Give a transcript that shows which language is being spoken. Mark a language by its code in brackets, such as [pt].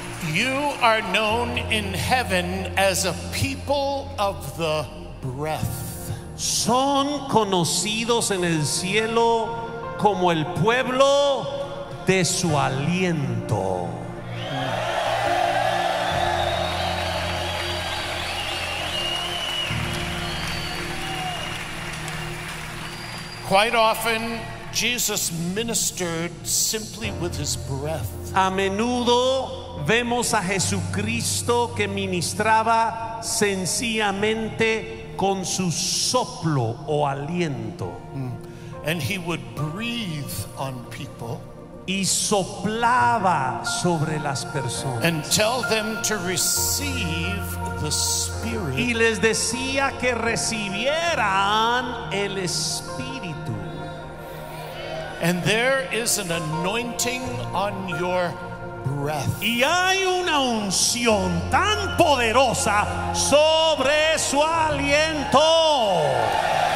[en] You are known in heaven as a people of the breath. [es] Son conocidos en el cielo como el pueblo de su aliento. [en] Quite often, Jesus ministered simply with his breath. [es] A menudo vemos a Jesucristo que ministraba sencillamente con su soplo o aliento. [en] And he would breathe on people. [es] Y soplaba sobre las personas. [en] And tell them to receive the Spirit. [es] Y les decía que recibieran el Espíritu. [en] And there is an anointing on your breath. [es] Y hay una unción tan poderosa sobre su aliento.